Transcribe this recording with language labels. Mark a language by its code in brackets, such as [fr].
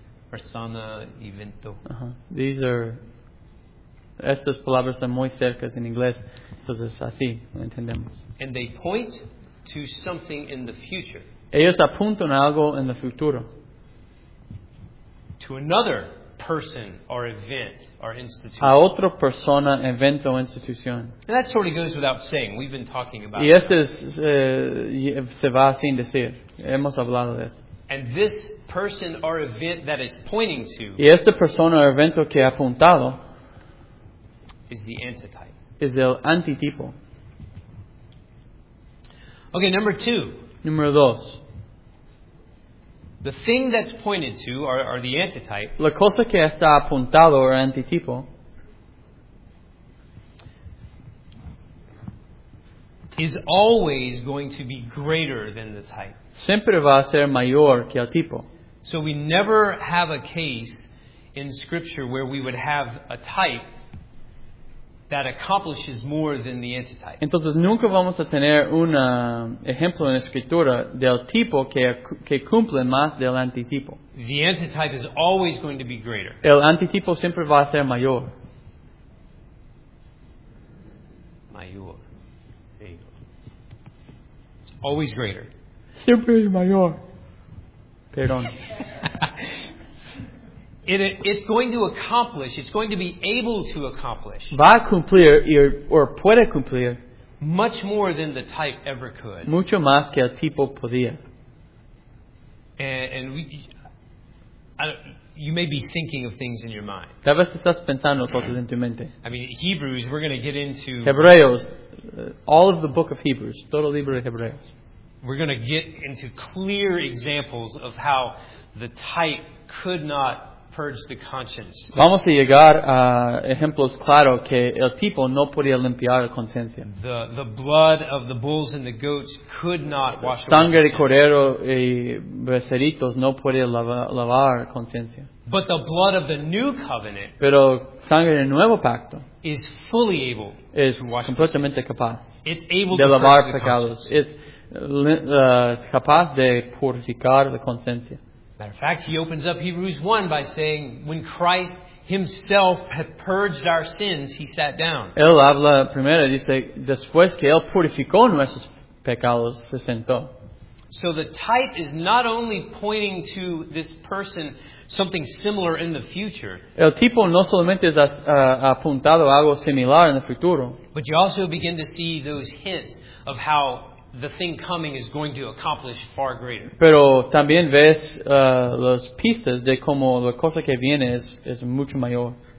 [es] Persona, evento. [en] Uh-huh. These are. [es] Estas palabras son muy cercas en inglés, entonces así lo entendemos. [en] And they point to something in the future. [es] Ellos apuntan a algo en el futuro. [en] To another person or event or institution. [es] A otra persona, evento, institución. [en] And that sort of goes without saying. We've been talking about. [es] Y esto es, se va sin decir. Hemos hablado de esto. [en] And this person or event that it's pointing to. [es] Y esta persona o evento que ha apuntado. [en] Is the antitype. [es] Es el antitipo. [en] Okay, number two. [es] Número dos. [en] The thing that's pointed to, or the antitype. [es] La cosa que está apuntado o antitipo. [en] Is always going to be greater than the type. [es] Siempre va a ser mayor que el tipo. [en] So we never have a case in Scripture where we would have a type that accomplishes more than the antitype. [es] Entonces nunca vamos a tener un ejemplo en escritura del tipo que cumple más del antitipo. [en] The antitype is always going to be greater. [es] El antitipo siempre va a ser mayor. [en] Mayor. It's always greater. [es] Siempre es mayor. Perdón. [en] It's going to accomplish, it's going to be able to accomplish. [es] Va a cumplir or puede cumplir. [en] Much more than the type ever could. [es] Mucho más que el tipo podía. [en] And we, you may be thinking of things in your mind. [es] Tal vez estás pensando cosas en tu mente. [en] I mean, Hebrews, we're going to get into. [es] Hebreos, [en] all of the book of Hebrews, [es] todo el libro de Hebreos. [en] We're going to get into clear examples of how the type could not. [es] Vamos a llegar a ejemplos claros que el tipo no podía limpiar la conciencia. [en] The blood of the bulls and the goats could not wash. [es] Sangre de cordero y becerritos no podía lavar conciencia. [en] But the blood of the new covenant. [es] Pero sangre del nuevo pacto. [en] Is fully able. [es] Es completamente capaz. [en] It's able [es] de lavar pecados. Es capaz de purificar la conciencia. [en] Matter of fact, he opens up Hebrews 1 by saying, when Christ himself had purged our sins, he sat down. [es] Él habla primero, dice, después que él purificó nuestros pecados, se sentó. [en] So the type is not only pointing to this person something similar in the future. [es] El tipo no solamente es apuntado a algo similar en el futuro. [en] But you also begin to see those hints of how the thing coming is going to accomplish far greater. [es] Pero también ves las pistas de cómo la cosa que viene es mucho mayor.